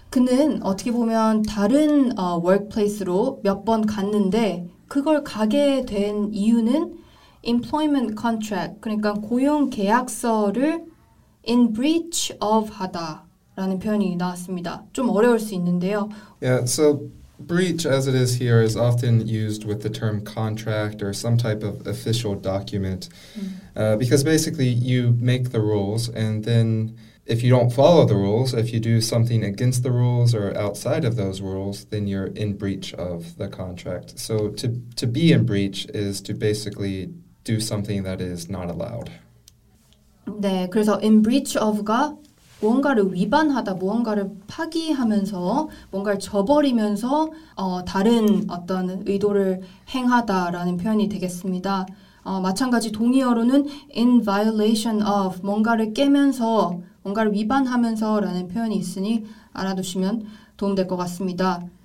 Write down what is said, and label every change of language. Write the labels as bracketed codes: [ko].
[ko] 그는 어떻게 보면 다른 workplace로 몇 번 갔는데 그걸 가게 된 이유는 [en] employment contract, [ko] 그러니까 고용계약서를 [en] in breach of [ko] 하다. 라는 표현이 나왔습니다. 좀 어려울 수 있는데요. [en] Yeah, so breach as it is here is often used with the term contract or some type of official document. Because basically you make the rules and then if you don't follow the rules, if you do something against the rules or outside of those rules, then you're in breach of the contract. So to be in breach is to basically do something that is not allowed. [ko] 네, 그래서 in breach of가 무언가를 위반하다, 무언가를 파기하면서, 뭔가를 저버리면서 다른 어떤 의도를 행하다라는 표현이 되겠습니다. 마찬가지 동의어로는 [en] in violation of, [ko] 뭔가를 깨면서, 뭔가를 위반하면서 라는 표현이 있으니 알아두시면 도움될 것 같습니다.